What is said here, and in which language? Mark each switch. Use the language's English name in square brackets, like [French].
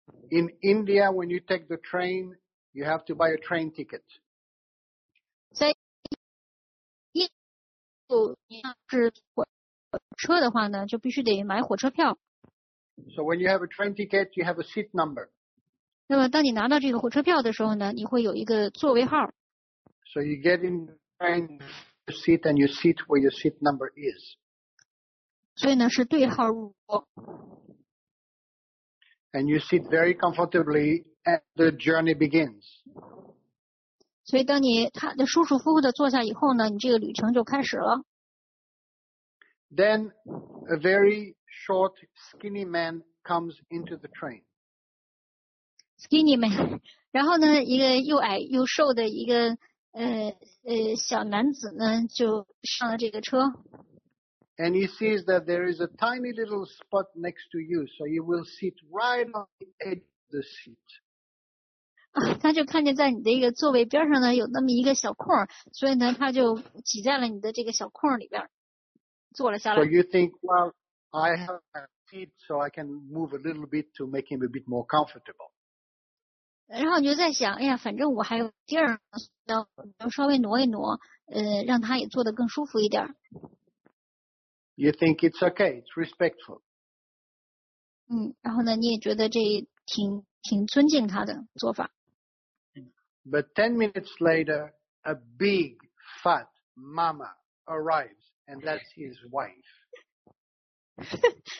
[English] In India, when you take the train, you have to buy a train ticket. [Chinese] 在是火车的话呢，就必须得买火车票。 [English] So when you have a train ticket, you have a seat number. [Chinese] 那么当你拿到这个火车票的时候呢，你会有一个座位号。 [English] So you get in the train seat and you sit where your seat number is. [Chinese] 所以呢是对号入座。 [English] And you sit very comfortably and the journey begins. [Chinese] 所以当你他的舒舒服服的坐下以后呢，你这个旅程就开始了。 [English] Then a very short, skinny man comes into the train. Skinny man. [Chinese] 然后呢，一个又矮又瘦的一个小男子呢，就上了这个车。 [English] And he sees that there is a tiny little spot next to you, so you will sit right on the edge of the seat. [Chinese] 他就看见在你的一个座位边上呢有那么一个小空，所以呢他就挤在了你的这个小空里边坐了下来。 [English] So you think, well, I have a seat so I can move a little bit to make him a bit more comfortable. [Chinese] 然后你就在想，哎呀，反正我还有地儿，要稍微挪一挪，让他也坐得更舒服一点。 [English] You think it's okay, it's respectful. [Chinese] 然后呢你也觉得这挺尊敬他的做法。 [English] But 10 minutes later, a big fat mama arrives, and that's his wife.